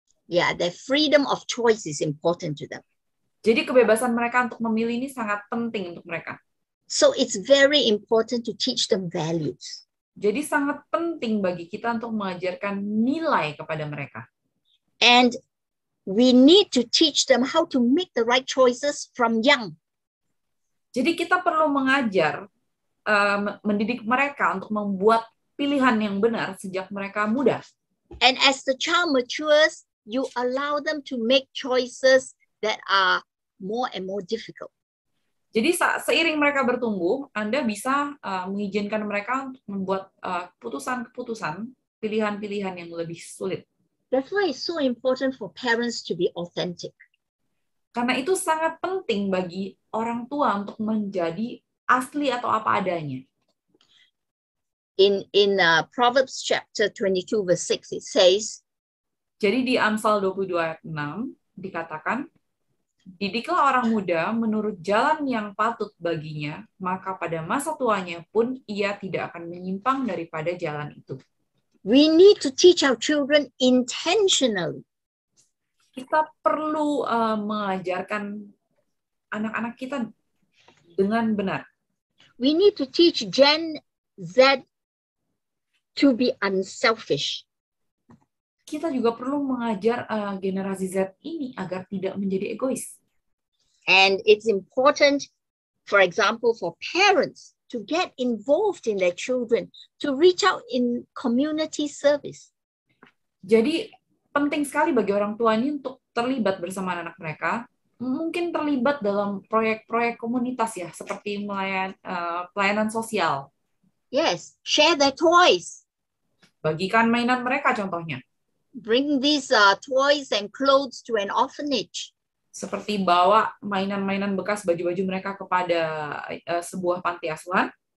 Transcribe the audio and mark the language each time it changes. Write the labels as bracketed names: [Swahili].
[English] Yeah, the freedom of choice is important to them. [Indonesian] Jadi kebebasan mereka untuk memilih ini sangat penting untuk mereka. [English] So it's very important to teach them values. [Indonesian] Jadi sangat penting bagi kita untuk mengajarkan nilai kepada mereka. [English] And we need to teach them how to make the right choices from young. [Indonesian] Jadi kita perlu mengajar, mendidik mereka untuk membuat pilihan yang benar sejak mereka muda. [English] And as the child matures, you allow them to make choices that are more and more difficult. [Indonesian] Jadi seiring mereka bertumbuh, Anda bisa mengizinkan mereka untuk membuat keputusan-keputusan, pilihan-pilihan yang lebih sulit. [English] That's why it's so important for parents to be authentic. [Indonesian] Karena itu sangat penting bagi orang tua untuk menjadi asli atau apa adanya. [English] In Proverbs chapter 22 verse 6 it says, [Indonesian] jadi di Amsal 22 ayat 6 dikatakan, didiklah orang muda menurut jalan yang patut baginya, maka pada masa tuanya pun ia tidak akan menyimpang daripada jalan itu. [English] We need to teach our children intentionally. [Indonesian] Kita perlu mengajarkan anak-anak kita dengan benar. [English] We need to teach Gen Z to be unselfish. [Indonesian] Kita juga perlu mengajar generasi Z ini agar tidak menjadi egois. [English] And it's important, for example, for parents to get involved in their children, to reach out in community service. [Indonesian] Jadi penting sekali bagi orang tua ini untuk terlibat bersama anak mereka, mungkin terlibat dalam proyek-proyek komunitas ya, seperti pelayanan sosial. [English] Yes, share their toys. [Indonesian] Bagikan mainan mereka contohnya. [English] Bring these toys and clothes to an orphanage. [Indonesian] Seperti bawa mainan-mainan bekas baju-baju mereka kepada sebuah panti asuhan.